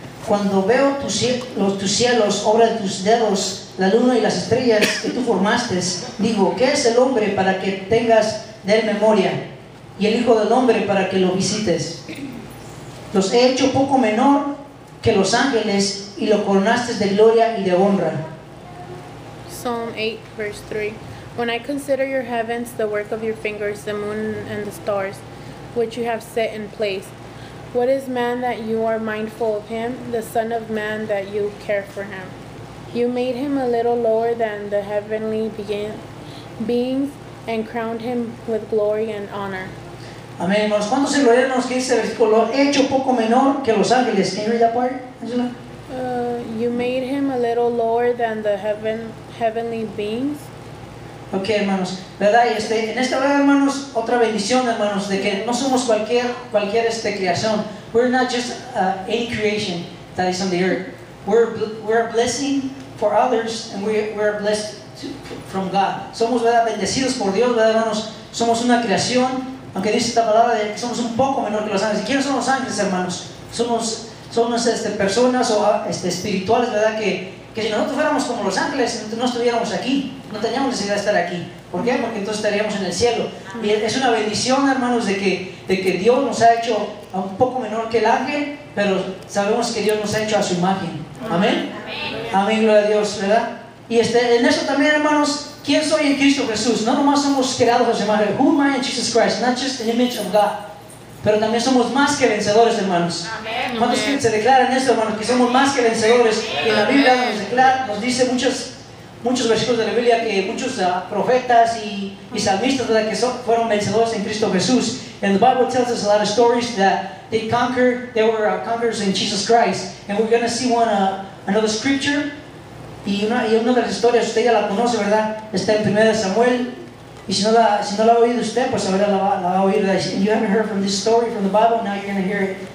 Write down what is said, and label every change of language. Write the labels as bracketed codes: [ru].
[es] Cuando veo tus cielos, obra de tus dedos, la luna y las estrellas que tú formaste, digo, ¿qué es el hombre para que tengas de él memoria? Y el hijo del hombre para que lo visites. Los he hecho poco menor que los ángeles y lo coronaste de gloria y de honra. [en] Psalm 8, verse 3. When I consider your heavens, the work of your fingers, the moon and the stars, which you have set in place, what is man that you are mindful of him, the son of man that you care for him? You made him a little lower than the heavenly beings and crowned him with glory and honor. [es] Amén. ¿Cuándo se lo leemos? ¿Qué dice el versículo? He hecho poco menor que los ángeles. [en] ¿Can you read that part, Angela? You made him a little lower than the heavenly beings. [es] Ok, hermanos. ¿Verdad? Y en esta hora, hermanos, otra bendición, hermanos, de que no somos cualquier creación. [en] We're not just any creation that is on the earth. We're a blessing for others, and we're blessed from God. [es] Somos, ¿verdad?, bendecidos por Dios, ¿verdad, hermanos? Somos una creación, aunque dice esta palabra de que somos un poco menor que los ángeles. ¿Y quiénes son los ángeles, hermanos? Somos personas o espirituales, ¿verdad? Que si nosotros fuéramos como los ángeles, no estuviéramos aquí. No teníamos necesidad de estar aquí. ¿Por qué? Porque entonces estaríamos en el cielo. Y es una bendición, hermanos, de que Dios nos ha hecho un poco menor que el ángel, pero sabemos que Dios nos ha hecho a su imagen. Amén. Amén, gloria a Dios, ¿verdad? Y en eso también, hermanos, ¿quién soy en Cristo Jesús? No nomás somos creados a su imagen. [en] Who am I in Jesus Christ? Not just the image of God. [es] Pero también somos más que vencedores, hermanos. Amén. ¿Cuántos amén. Se declaran esto, hermanos? Que somos más que vencedores. Amén. Y la Biblia nos declara, nos dice muchos versículos de la Biblia, que muchos profetas y salmistas, ¿verdad?, que fueron vencedores en Cristo Jesús. [en] And the Bible tells us a lot of stories that they conquered, they were conquerors in Jesus Christ. And we're going to see another scripture. [es] Y una de las historias, usted ya la conoce, ¿verdad? Está en 1 Samuel. Y si no la ha oído usted, pues ahora la va a oír. [en] If you haven't heard from this story from the Bible, now you're going to hear it.